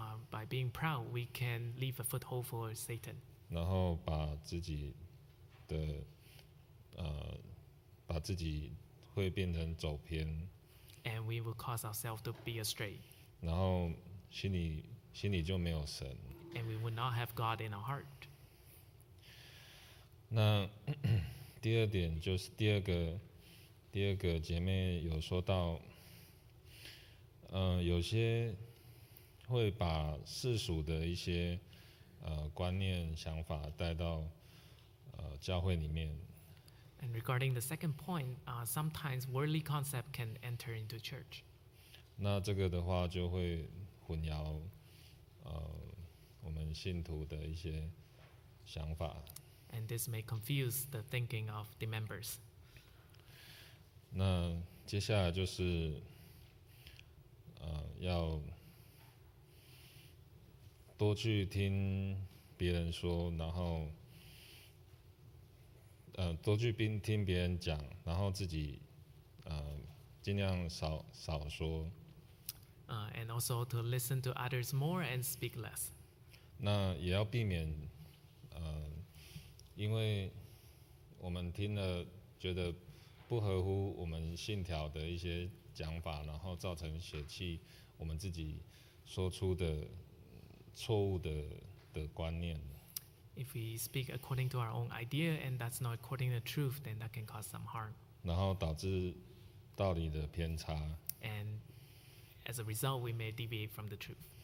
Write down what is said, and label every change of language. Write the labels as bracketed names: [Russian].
[English] By being proud, we can leave a foothold for Satan. [Chinese] 然后把自己的把自己会变成走偏。 [English] And we will cause ourselves to be astray. [Chinese] 然后心里就没有神。 [English] And we will not have God in our heart. [Chinese] 那第二点就是第二个姐妹有说到，有些会把世俗的一些观念想法带到教会里面。 [English] And regarding the second point, sometimes worldly concept can enter into church. [Chinese] 那这个的话就会混淆我们信徒的一些想法。 [English] And this may confuse the thinking of the members. [Chinese] 那接下来就是要多去听别人说，然后多去听别人讲，然后自己尽量少说。 [English] And also to listen to others more and speak less. [Chinese] 那也要避免因为我们听了觉得不合乎我们信条的一些讲法，然后造成血气，我们自己说出的错误 的观念。 [English] If we speak according to our own idea and that's not according to the truth, then that can cause some harm. [Chinese] 然后导致道理的偏差。 [English] And as a result, we may deviate from the truth.